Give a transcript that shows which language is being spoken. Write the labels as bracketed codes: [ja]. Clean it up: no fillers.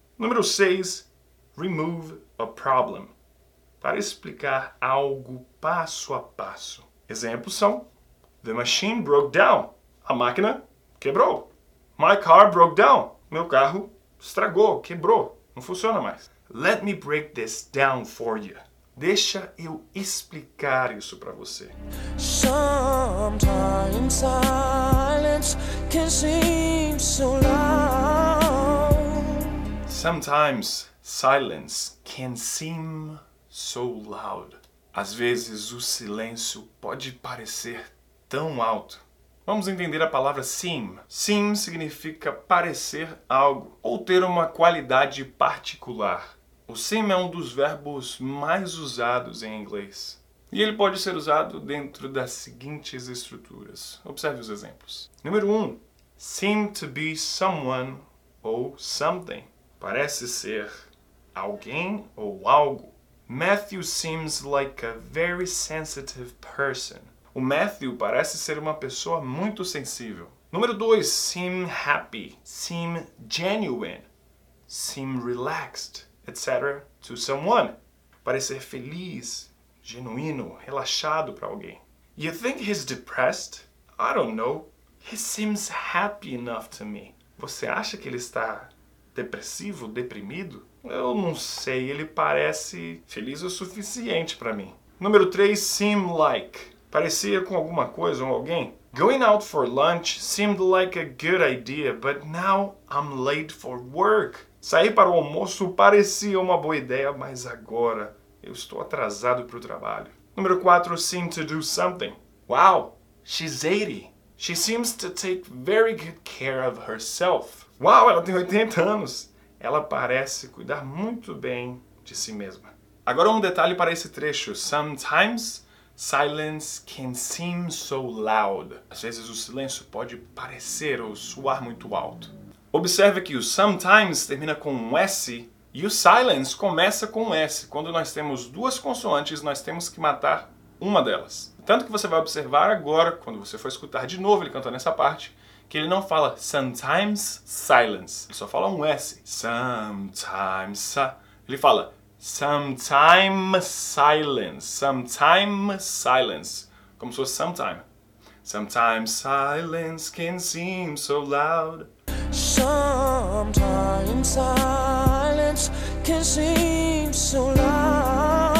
[pt] Número 6. [en] Remove a problem. [pt] Para explicar algo passo a passo. Exemplos são: [en] the machine broke down. [pt] A máquina quebrou. [en] My car broke down. [pt] Meu carro estragou, quebrou. Não funciona mais. [en] Let me break this down for you. [pt] Deixa eu explicar isso pra você. [en] Sometimes silence can seem so loud. Sometimes silence can seem so loud. [pt] Às vezes o silêncio pode parecer tão alto. Vamos entender a palavra seem. Seem significa parecer algo ou ter uma qualidade particular. O seem é um dos verbos mais usados em inglês. E ele pode ser usado dentro das seguintes estruturas. Observe os exemplos. Número 1. [en] Seem to be someone ou something. [pt] Parece ser alguém ou algo. [en] Matthew seems like a very sensitive person. [pt] O Matthew parece ser uma pessoa muito sensível. [en] Número 2. Seem happy. Seem genuine. Seem relaxed. Etc. to someone. [pt] Parecer feliz, genuíno, relaxado para alguém. [en] You think he's depressed? I don't know. He seems happy enough to me. [pt] Você acha que ele está depressivo, deprimido? Eu não sei, ele parece feliz o suficiente para mim. Número 3, seem like. Parecia com alguma coisa ou alguém. [en] Going out for lunch seemed like a good idea, but now I'm late for work. [pt] Sair para o almoço parecia uma boa ideia, mas agora eu estou atrasado para o trabalho. [en] Número 4, seem to do something. Wow, she's 80. She seems to take very good care of herself. [pt] Wow, ela tem 80 anos. Ela parece cuidar muito bem de si mesma. Agora um detalhe para esse trecho. [en] Sometimes silence can seem so loud. [pt] Às vezes o silêncio pode parecer ou soar muito alto. Observe que o sometimes termina com um S e o silence começa com um S. Quando nós temos duas consoantes, nós temos que matar uma delas. Tanto que você vai observar agora, quando você for escutar de novo ele cantando essa parte, que ele não fala sometimes silence. Ele só fala um S. Sometimes. Ele fala sometime silence. Sometime silence. Como se fosse sometime. [en] Sometimes silence can seem so loud. Sometimes silence can seem so loud.